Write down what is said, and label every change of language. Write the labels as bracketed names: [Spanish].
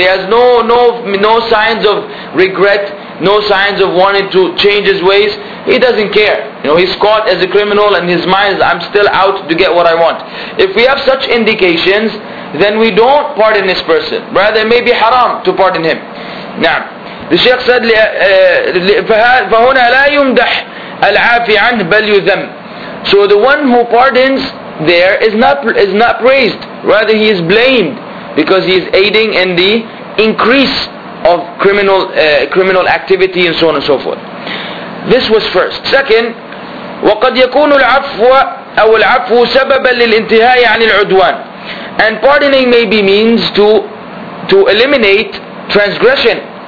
[English] He has no signs of regret, no signs of wanting to change his ways. He doesn't care. You know, he's caught as a criminal and his mind is, I'm still out to get what I want. If we have such indications, then we don't pardon this person. Rather, it may be haram to pardon him. Now, the Shaykh said, [Arabic] فَهُنَا لَا يُمْدَحْ الْعَافِي عَنْهُ بَلْ يُذَمْ. [English] So the one who pardons there is not praised. Rather, he is blamed because he is aiding in the increase of criminal activity and so on and so forth. This was first. Second, [Arabic] وَقَدْ يَكُونُ الْعَفْوَ أَوْ الْعَفْوُ سَبَبًا لِلْإِنْتِهَاءِ عَنِ الْعُدْوَانِ. [English] And pardoning may be means to eliminate transgression.